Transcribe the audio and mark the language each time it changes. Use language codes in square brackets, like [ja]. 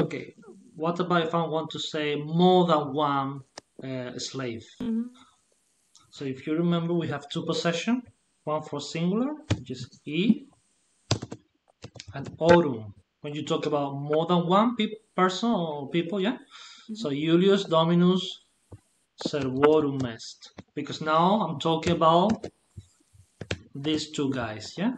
[en] Okay, what about if I want to say more than one? A slave. So if you remember, we have two possession, one for singular, which is I, and orum. When you talk about more than one person or people, yeah. [la] So Iulius Dominus servorum est. [en] Because now I'm talking about these two guys, yeah.